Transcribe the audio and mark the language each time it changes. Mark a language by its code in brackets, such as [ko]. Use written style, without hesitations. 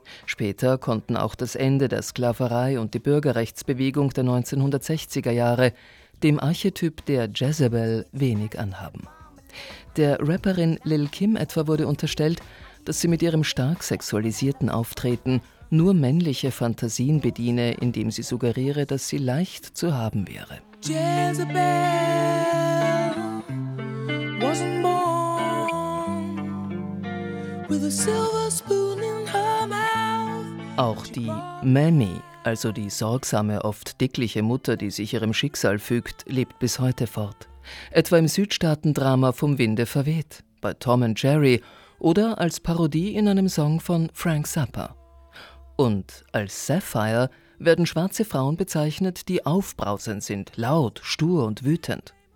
[de] Später konnten auch das Ende der Sklaverei und die Bürgerrechtsbewegung der 1960er Jahre dem Archetyp der Jezebel wenig anhaben. Der Rapperin Lil Kim etwa wurde unterstellt, dass sie mit ihrem stark sexualisierten Auftreten nur männliche Fantasien bediene, indem sie suggeriere, dass sie leicht zu haben wäre. [en] Jezebel wasn't born with a silver spoon in her mouth. [de] Auch die Mammy, also die sorgsame, oft dickliche Mutter, die sich ihrem Schicksal fügt, lebt bis heute fort. Etwa im Südstaaten-Drama Vom Winde verweht, bei Tom and Jerry oder als Parodie in einem Song von Frank Zappa. Und als Sapphire werden schwarze Frauen bezeichnet, die aufbrausend sind, laut, stur und wütend.